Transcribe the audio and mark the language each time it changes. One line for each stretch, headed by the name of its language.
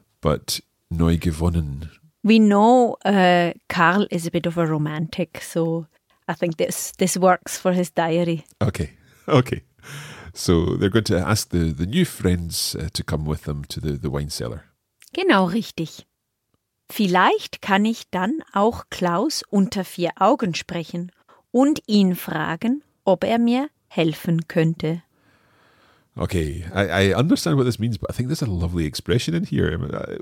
English: But
German: neu gewonnen.
English: We know Karl is a bit of a romantic, so I think this works for his diary. Okay, okay. So they're going to ask the new friends to come with them to the wine cellar.
German: Genau, richtig. Vielleicht kann ich dann auch Klaus unter vier Augen sprechen und ihn fragen, ob er mir helfen könnte.
English: Okay, I understand what this means, but I think there's a lovely expression in here.